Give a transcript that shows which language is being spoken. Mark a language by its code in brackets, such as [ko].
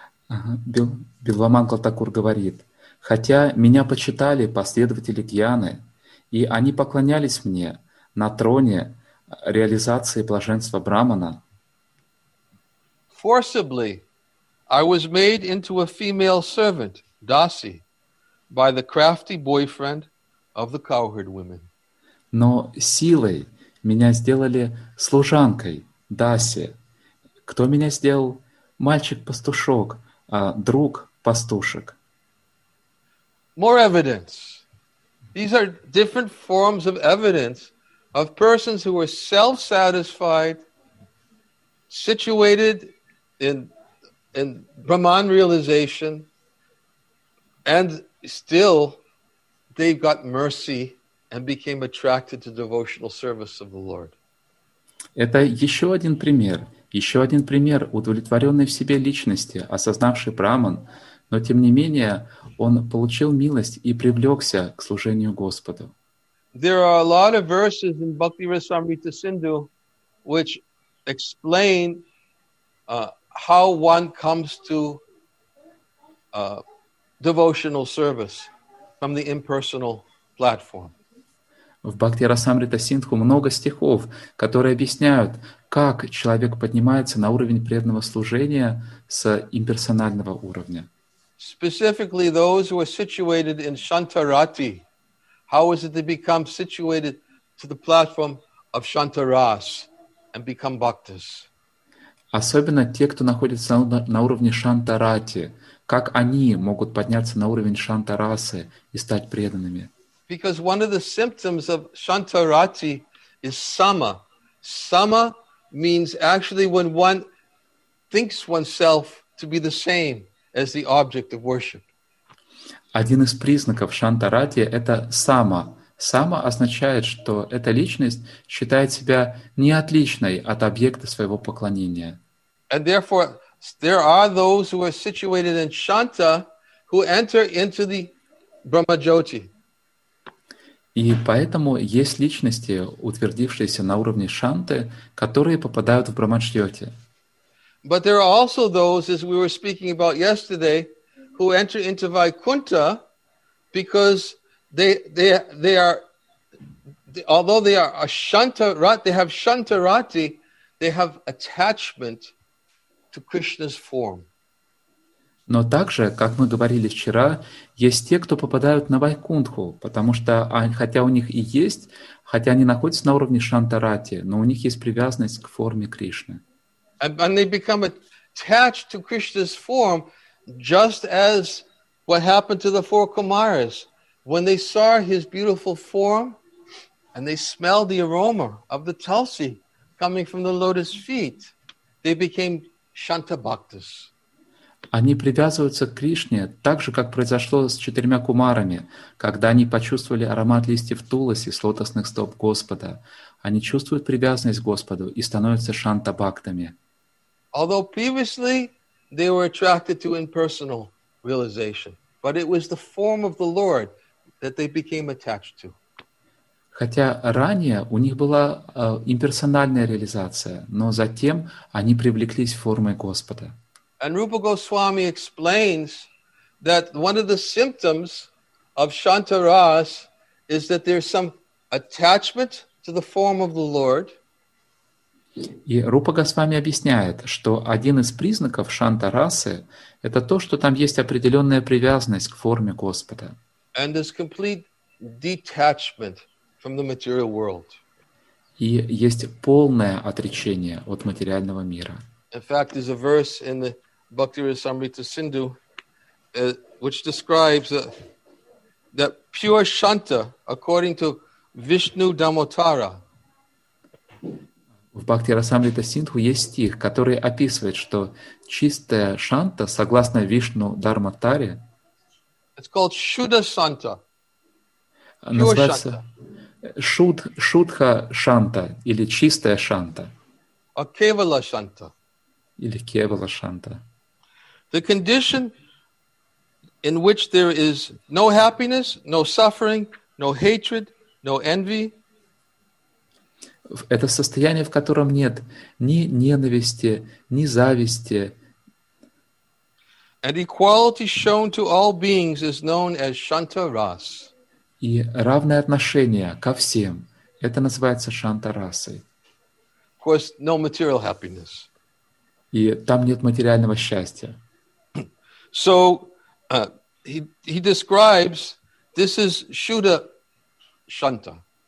[ru] Bilva Mangal Thakur говорит, «Хотя меня почитали последователи Гьяны, и они поклонялись мне на троне реализации блаженства Брахмана». [en] Forcibly, I was made into a female servant, Dasi, by the crafty boyfriend of the cowherd women. [ru] Но силой меня сделали служанкой, Даси. Кто меня сделал? Мальчик-пастушок, друг пастушек. [en] More evidence. These are different forms of evidence of persons who are self-satisfied, situated in Brahman realization, and still they got mercy and became attracted to devotional service of the Lord. [ru] Это еще один пример. Еще один пример удовлетворенной в себе личности, осознавший Брахман, но тем не менее он получил милость и привлекся к служению Господу. [en] There are a lot of verses in Bhakti Rasamrita Sindhu which explain how one comes to devotional service from the impersonal platform. [ru] В Бхакти Расамрита Синдху много стихов, которые объясняют, как человек поднимается на уровень преданного служения с имперсонального уровня. [en] Specifically, those who are situated in Shantarati, how is it to become situated to the platform of Shantaras and become bhaktas? [ru] Особенно те, кто находится на уровне Шантарати, как они могут подняться на уровень Шантарасы и стать преданными? [en] Because one of the symptoms of Shantarati is sama. Sama means actually when one thinks oneself to be the same as the object of worship. [ru] Один из признаков Шантарати — это сама. Сама означает, что эта личность считает себя неотличной от объекта своего поклонения. [en] And therefore, there are those who are situated in Shanta who enter into the Brahma Jyoti. [ru] И поэтому есть личности, утвердившиеся на уровне Шанты, которые попадают в Брахмачьоти. [en] But there are also those, as we were speaking about yesterday, who enter into Vaikuntha because although they are a Shantarati, they have Shantarati, they have attachment to Krishna's form. [ru] Но также, как мы говорили вчера, есть те, кто попадают на Вайкунтху, потому что, хотя у них и есть, хотя они находятся на уровне Шантарати, но у них есть привязанность к форме Кришны. [en] And they become attached to Krishna's form, just as what happened to the four Kumaras. When they saw his beautiful form, and they smelled the aroma of the Tulsi coming from the lotus feet, they became Shantabhaktas. [ru] Они привязываются к Кришне так же, как произошло с четырьмя кумарами, когда они почувствовали аромат листьев туласи с лотосных стоп Господа. Они чувствуют привязанность к Господу и становятся шанта-бхактами. [en] Although previously they were attracted to impersonal realization, but it was the form of the Lord that they became attached to. [ru] Хотя ранее у них была имперсональная реализация, но затем они привлеклись формой Господа. [en] And Rupa Goswami explains that one of the symptoms of Shantaras is that there's some attachment to the form of the Lord. [ru] И Рупа Госвами объясняет, что один из признаков Шантарасы — это то, что там есть определенная привязанность к форме Господа. [en] And there's complete detachment from the material world. [ru] И есть полное отречение от материального мира. [en] In fact, there's a verse in the Bhakti Rasamrita Sindhu, which describes that pure Shanta, according to Vishnu Damotara. [ru] В Бхакти Расамрита Синдху есть стих, который описывает, что чистая Шанта, согласно Вишну Дарматаре, [en] it's called Shuddha Shanta. [ru] Называется Шудха Шанта или чистая Шанта. [en] A Kevala Shanta. [ru] Или Кевала Шанта. [en] The condition in which there is no happiness, no suffering, no hatred, no envy. [ru] Это состояние, в котором нет ни ненависти, ни зависти. [en] And equality shown to all beings is known as Shantaras. [ru] И равное отношение ко всем. Это называется Шантарасой. [en] Of course, no material happiness. [ru] И там нет материального счастья. [en] So he describes this is Shuddha Shanta.